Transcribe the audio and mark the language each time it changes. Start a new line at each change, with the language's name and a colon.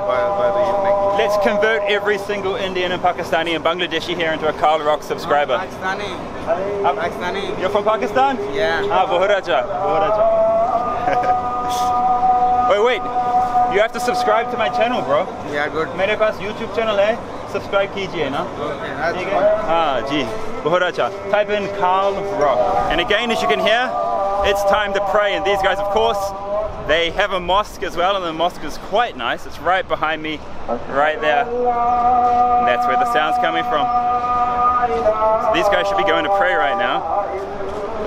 English: By the evening. Let's convert every single Indian and Pakistani and Bangladeshi here into a Karl Rock subscriber. Pakistani. You're from Pakistan? Yeah. Ah, Bohuraja. Bohuraja. Wait. You have to subscribe to my channel, bro. Yeah, good.
Hindi: मेरे पास YouTube channel है. Subscribe कीजिए ना.
English: Okay, that's fine.
Hindi: Bahut acha.
English: Type in Karl Rock. And again, as you can hear, it's time to pray. And these guys, of course, they have a mosque as well. And the mosque is quite nice. It's right behind me, right there. And that's where the sound's coming from. So these guys should be going to pray right now.